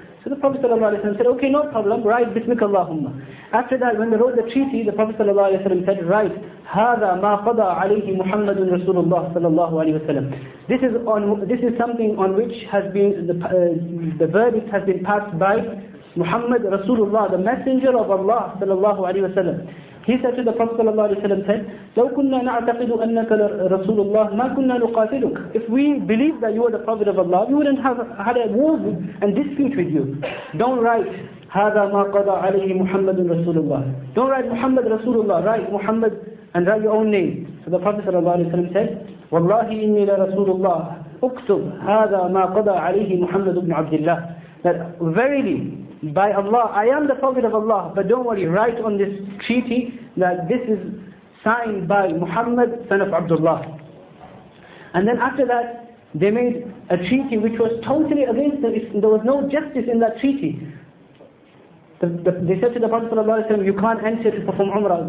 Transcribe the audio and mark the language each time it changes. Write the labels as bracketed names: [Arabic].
[English] So the Prophet sallallahu alaihi wasallam said, "Okay, no problem, write bismikallahumma." After that, when they wrote the treaty, the Prophet sallallahu alaihi wasallam said, "Write, [Arabic] hadha ma qada alayhi Muhammadun Rasulullah [English] sallallahu alaihi wasallam." This is something on which has been the verdict has been passed by Muhammad Rasulullah, the messenger of Allah sallallahu alaihi wasallam. He said to the Prophet ﷺ, [Arabic] لَوْ كُنَّا نَعْتَقِدُ أَنَّكَ رَسُولُ اللَّهِ مَا كُنَّا نُقَاتِلُكَ. [English] If we believed that you were the Prophet of Allah, we wouldn't have had a war and dispute with you. Don't write, [Arabic] هَذَا مَا قَضَى عَلَيْهِ مُحَمَّدٌ رَسُولُ اللَّهِ. [English] Don't write Muhammad [Arabic] رَسُولُ اللَّهِ. [English] Write Muhammad and write your own name. So the Prophet ﷺ said, [Arabic] وَاللَّهِ إِنِّي لَرَسُولُ اللَّهِ أُكْتُبْ هَذَا مَا قَضَى عَلَيْهِ مُحَمَّدُ بْنُ عَبْدِ اللَّهِ. [English] That verily, by Allah, I am the Prophet of Allah, but don't worry, write on this treaty that this is signed by Muhammad, son of Abdullah. And then after that, they made a treaty which was totally against them. There was no justice in that treaty. They said to the Prophet ﷺ, you can't enter to perform Umrah.